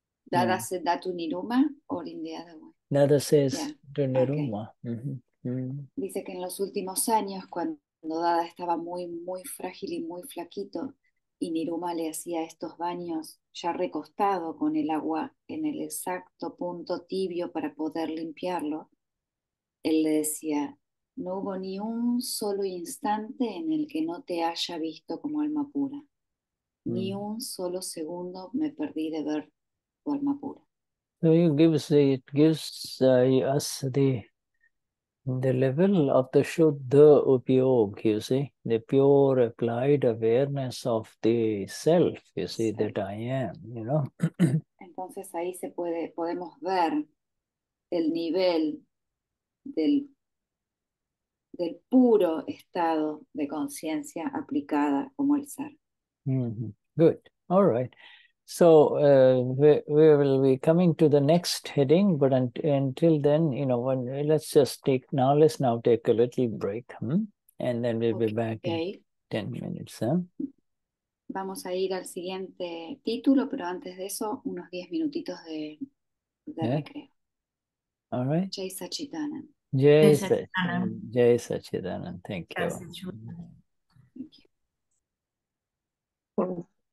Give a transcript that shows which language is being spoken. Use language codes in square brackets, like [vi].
[en] Dada said that to Niruma or in the other way? Dada says to Niruma. Okay. Mm-hmm. Mm. [es] Dice que en los últimos años, cuando Dada estaba muy, muy frágil y muy flaquito, y Niruma le hacía estos baños ya recostado con el agua en el exacto punto tibio para poder limpiarlo, él le decía, no hubo ni un solo instante en el que no te haya visto como alma pura. Ni un solo segundo me perdí de ver tu alma pura. [en] So it gives us the level of the Shuddha Upayoga, you see, the pure applied awareness of the self, you see, sí. That I am, you know. [es] Entonces ahí podemos ver el nivel del puro estado de conciencia aplicada como el ser. [en] Mm-hmm. Good. All right. So we will be coming to the next heading, but until then, you know, let's now take a little break, and then we'll be back in 10 minutes. [es] Vamos a ir al siguiente título, pero antes de eso, unos 10 minutitos de recreo. [en] All right. [gu] Jai Sachidanan. [en] Jai Sachidanan. Thank you. Thank you.